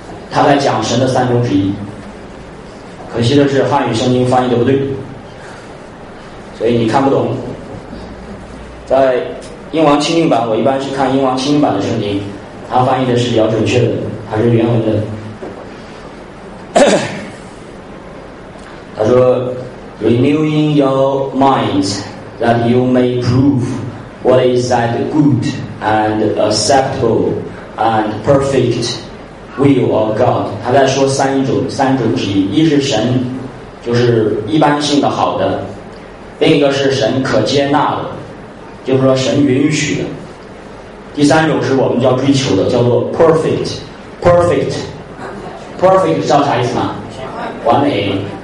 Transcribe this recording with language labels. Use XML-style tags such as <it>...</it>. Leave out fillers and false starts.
<zh>他在讲神的三种旨意，可惜的是汉语圣经翻译的不对，所以你看不懂。在英王钦定版，我一般是看英王钦定版的圣经，他翻译的是比较准确的，还是原文的。他说</zh> <en>renewing your mind that you may proveWhat is that good and acceptable and perfect will of God?</en> <zh>他在说三种旨意，一是神，就是一般性的好的；另一个是神可接纳的，就是说神允许的；第三种是我们要追求的，叫做 perfect。 perfect， perfect 知道啥意思吗？完美。</zh>